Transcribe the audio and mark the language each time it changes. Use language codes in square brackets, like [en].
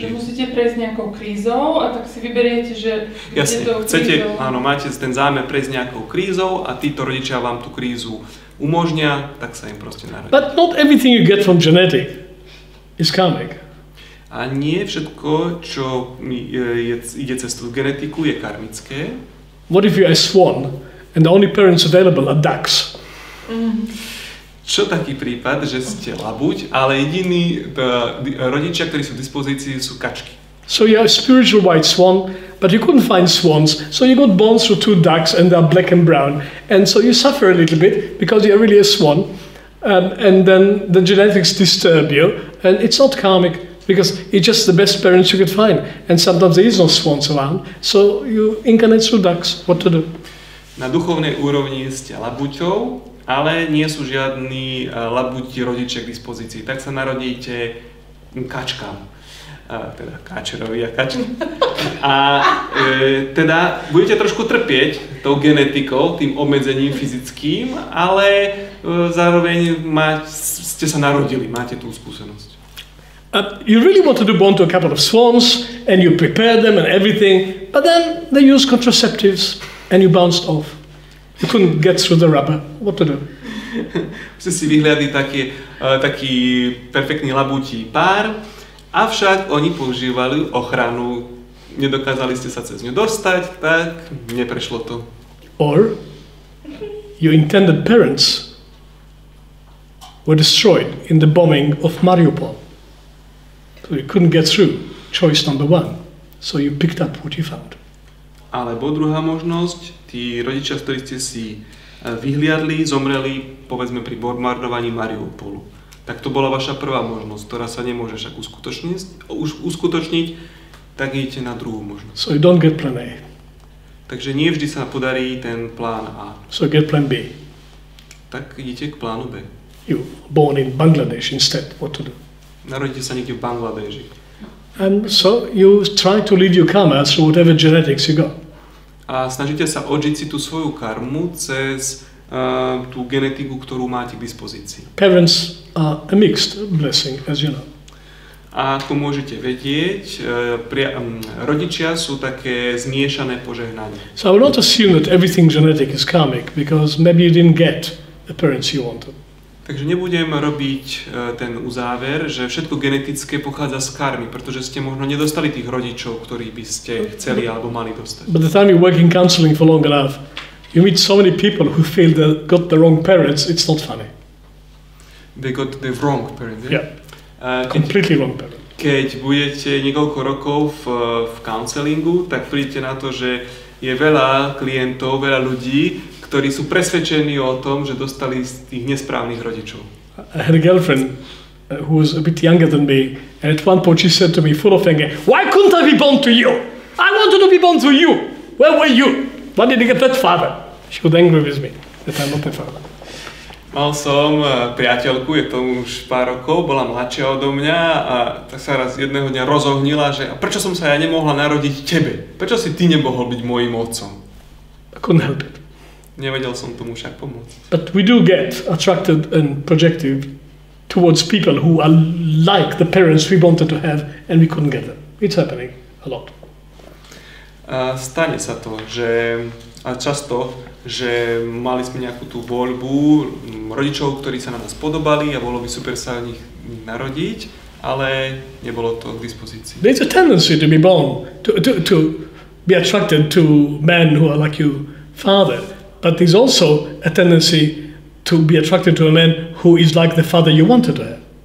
[sk] Takže musíte prejsť nejakou krízou a tak si vyberiete, že kde jasne, to chcete, krízou... Áno, máte ten zámer prejsť nejakou krízou a títo rodičia vám tú krízu umožnia, tak sa im proste narodí. [en] But not everything you get from genetic is karmic. [sk] A nie všetko, čo ide cez tú genetiku, je karmické. [en] What if you are a swan and the only parents available are ducks? [sk] Čo taký prípad, že ste labuť, ale jediní rodičia, ktorí sú v dispozícii, sú kačky. [en] So you are a spiritual white swan, but you couldn't find swans, so you got born through two ducks and they are black and brown. And so you suffer a little bit because you are really a swan. And then the genetics disturb you and it's not karmic. Because it's just the best parents you could find. And sometimes there is no swans around. So you incarnate through ducks. What to do? [sk] Na duchovnej úrovni ste labuťou, ale nie sú žiadni labuti rodičia k dispozícii. Tak sa narodíte kačkám. Teda káčerovi a kačky. A teda budete trošku trpieť tou genetikou, tým obmedzením fyzickým, ale zároveň ste sa narodili, máte tú skúsenosť. [en] You really want to do born to a couple of swans and you prepare them and everything, but then they use contraceptives and you bounced off. You couldn't get through the rubber. What to do? [sk] Si si vyhľadí taký perfektný labutí pár, avšak oni používali ochranu nedokázali ste sa cez ňu dostať, tak neprešlo to. [en] Or your intended parents were destroyed in the bombing of Mariupol. So you couldn't get through. Choice number one. So you picked up what you found. [sk] Alebo druhá možnosť, tí rodičia, ktorí ste si vyhliadli, zomreli, povedzme, pri bombardovaní Mariupolu. Tak to bola vaša prvá možnosť, ktorá sa nemôže však uskutočniť, tak idete na druhú možnosť. [en] So you don't get plan A. [sk] Takže nie vždy sa podarí ten plán A. [en] So get plan B. [sk] Tak idete k plánu B. [en] You born in Bangladesh instead, what to do? [sk] Narodíte sa niekde v Bangladeši. [en] And so you try to live your karma through whatever genetics you got. [sk] A snažíte sa odžiť si tú svoju karmu cez tú genetiku, ktorú máte k dispozícii. [en] Parents are a mixed blessing, as you know. [sk] A ako môžete vedieť, rodičia sú také zmiešané požehnanie. [en] So I will not assume that everything genetic is karmic, because maybe you didn't get the parents you wanted. [sk] Takže nebudem robiť ten uzáver, že všetko genetické pochádza z karmy, pretože ste možno nedostali tých rodičov, ktorí by ste chceli alebo mali dostať. [en] But the time you work in counseling for long enough, you meet so many people who feel they got the wrong parents, it's not funny. They got the wrong parents, yeah? Yeah. Completely wrong parents. [sk] Keď budete niekoľko rokov v counselingu, tak prídete na to, že je veľa klientov, veľa ľudí, ktorí sú presvedčení o tom, že dostali z tých nesprávnych rodičov. [en] I had a girlfriend who was a bit younger than me, and at one point she said to me, full of anger, why couldn't I be born to you? I wanted to be born to you! Where were you? Why did you get that father? She was angry with me, that I'm not the father. [sk] Mal som priateľku, je to už pár rokov, bola mladšia odo mňa a tak sa raz jedného dňa rozohnila, že a prečo som sa ja nemohla narodiť tebe? Prečo si ty nemohol byť môjim otcom? [en] I couldn't help it. [sk] Nevedel som tomu však pomôcť. [en] But we do get attracted and projected towards people who are like the parents we wanted to have and we couldn't get them. It's happening a lot. [sk] Stane sa to, že a často, že mali sme nejakú tú voľbu rodičov, ktorí sa na nás podobali a bolo by super sa v nich narodiť, ale nebolo to k dispozícii. [en] There's a tendency to be born, to be attracted to men who are like your father. But there's also a tendency to be attracted to a man who is like the father you wanted to have.